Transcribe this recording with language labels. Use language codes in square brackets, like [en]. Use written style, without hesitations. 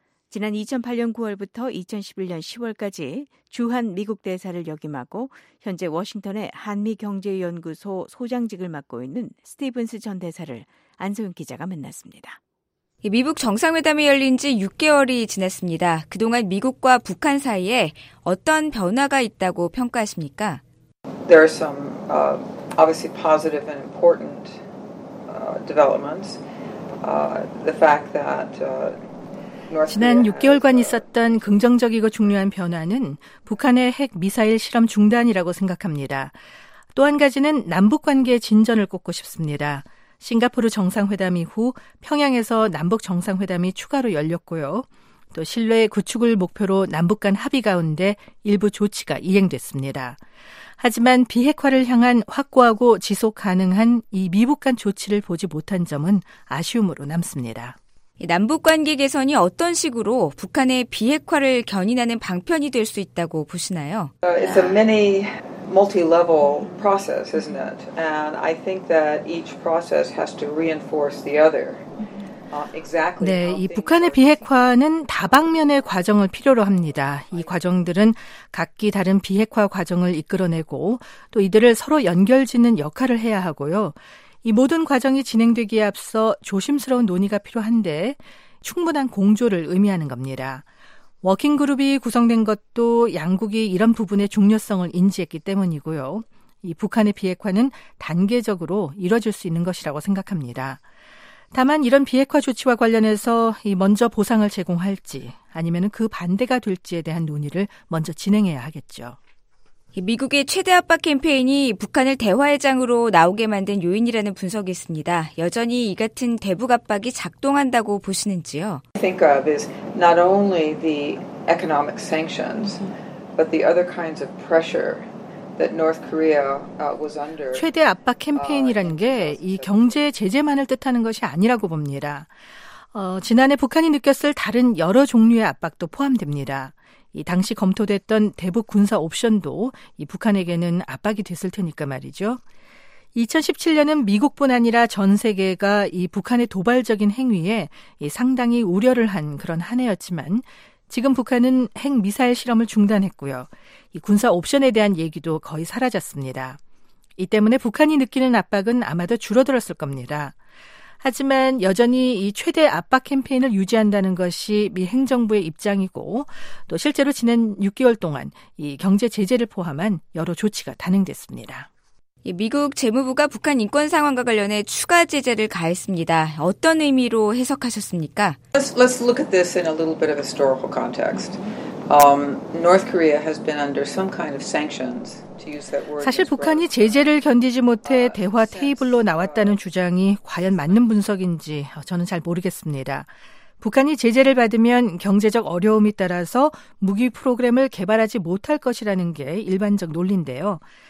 [ko] 지난 2008년 9월부터 2011년 10월까지 주한 미국 대사를 역임하고 현재 워싱턴의 한미경제연구소 소장직을 맡고 있는 스티븐스 전 대사를 안소윤 기자가 만났습니다. 미국 정상회담이 열린 지 6개월이 지났습니다. 그동안 미국과 북한 사이에 어떤 변화가 있다고 평가하십니까? [en] There are some obviously positive and important developments. The fact that [ko] 지난 6개월간 있었던 긍정적이고 중요한 변화는 북한의 핵미사일 실험 중단이라고 생각합니다. 또 한 가지는 남북관계의 진전을 꼽고 싶습니다. 싱가포르 정상회담 이후 평양에서 남북정상회담이 추가로 열렸고요. 또 신뢰의 구축을 목표로 남북 간 합의 가운데 일부 조치가 이행됐습니다. 하지만 비핵화를 향한 확고하고 지속 가능한 이 미북 간 조치를 보지 못한 점은 아쉬움으로 남습니다. 남북관계 개선이 어떤 식으로 북한의 비핵화를 견인하는 방편이 될 수 있다고 보시나요? [en] It's a many multi-level process, isn't it? And I think that each process has to reinforce the other. Exactly. [ko] 네, 이 북한의 비핵화는 다방면의 과정을 필요로 합니다. 이 과정들은 각기 다른 비핵화 과정을 이끌어내고 또 이들을 서로 연결짓는 역할을 해야 하고요. 이 모든 과정이 진행되기에 앞서 조심스러운 논의가 필요한데 충분한 공조를 의미하는 겁니다. 워킹그룹이 구성된 것도 양국이 이런 부분의 중요성을 인지했기 때문이고요. 이 북한의 비핵화는 단계적으로 이뤄질 수 있는 것이라고 생각합니다. 다만 이런 비핵화 조치와 관련해서 먼저 보상을 제공할지 아니면 그 반대가 될지에 대한 논의를 먼저 진행해야 하겠죠. 미국의 최대 압박 캠페인이 북한을 대화의 장으로 나오게 만든 요인이라는 분석이 있습니다. 여전히 이 같은 대북 압박이 작동한다고 보시는지요? [en] I think of is not only the economic sanctions, but the other kinds of pressure that North Korea was under. [ko] 최대 압박 캠페인이라는 게 이 경제 제재만을 뜻하는 것이 아니라고 봅니다. 지난해 북한이 느꼈을 다른 여러 종류의 압박도 포함됩니다. 이 당시 검토됐던 대북 군사 옵션도 이 북한에게는 압박이 됐을 테니까 말이죠. 2017년은 미국뿐 아니라 전 세계가 이 북한의 도발적인 행위에 상당히 우려를 한 그런 한 해였지만 지금 북한은 핵미사일 실험을 중단했고요. 이 군사 옵션에 대한 얘기도 거의 사라졌습니다. 이 때문에 북한이 느끼는 압박은 아마도 줄어들었을 겁니다. 하지만 여전히 이 최대 압박 캠페인을 유지한다는 것이 미 행정부의 입장이고 또 실제로 지난 6개월 동안 이 경제 제재를 포함한 여러 조치가 단행됐습니다. 미국 재무부가 북한 인권 상황과 관련해 추가 제재를 가했습니다. 어떤 의미로 해석하셨습니까? [en] Let's look at this in a little bit of historical context. North Korea has been under some kind of sanctions. [ko] 사실 북한이 제재를 견디지 못해 대화 테이블로 나왔다는 주장이 과연 맞는 분석인지 저는 잘 모르겠습니다. 북한이 제재를 받으면 경제적 어려움이 따라서 무기 프로그램을 개발하지 못할 것이라는 게 일반적 논리인데요.